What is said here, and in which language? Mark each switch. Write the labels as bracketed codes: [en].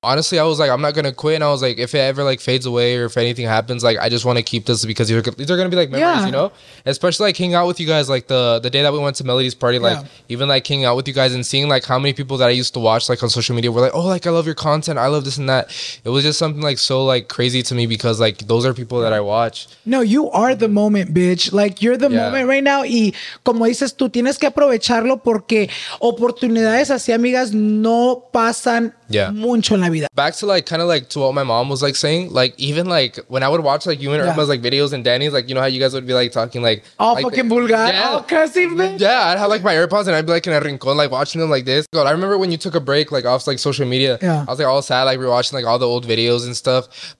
[en] Honestly, I was like, I'm not going to quit. And I was like, if it ever like fades away, or if anything happens, like I just want to keep this, because these are gonna be like memories, you know. Especially like hanging out with you guys, like the day that we went to Melody's party, like even like hanging out with you guys and seeing like how many people that I used to watch like on social media were like, oh, like I love your content, I love this and that. It was just something like so like crazy to me, because like those are people that I watch. No, you are the moment, bitch. Like you're the moment right now. [es] Y como dices, tú tienes que aprovecharlo, porque oportunidades así, amigas, no pasan mucho en la vida. [en] Back to like kind of like to what my mom was like saying, like even like when I would watch like you and Irma's like videos and Danny's, like, you know how you guys would be like talking like all like, fucking vulgar, all cursive, bitch. I'd have like my AirPods and I'd be like in a rincón like watching them like this. God, I remember when you took a break like off like social media, I was like all sad, like rewatching like all the old videos and stuff.